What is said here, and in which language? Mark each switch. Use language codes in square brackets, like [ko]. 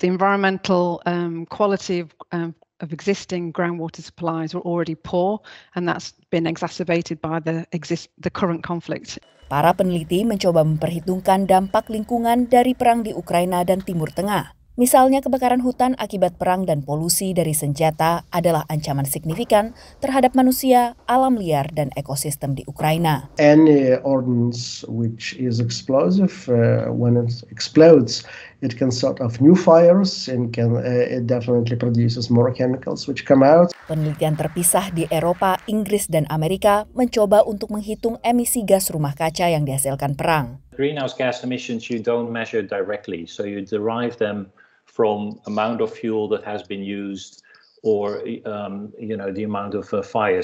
[en] The environmental quality of existing groundwater supplies were already poor, and that's been exacerbated by the current conflict. [id] Para peneliti mencoba memperhitungkan dampak lingkungan dari perang di Ukraina dan Timur Tengah. Misalnya kebakaran hutan akibat perang dan polusi dari senjata adalah ancaman signifikan terhadap manusia, alam liar, dan ekosistem di Ukraina. [en] Any ordnance which is explosive, when it explodes, it can start off new fires and can it definitely produces more chemicals which come out. [id] Penelitian terpisah di Eropa, Inggris, dan Amerika mencoba untuk menghitung emisi gas rumah kaca yang dihasilkan perang. [en] Greenhouse gas emissions you don't measure directly, so you derive them from amount of fuel that has been used, or the amount of fire.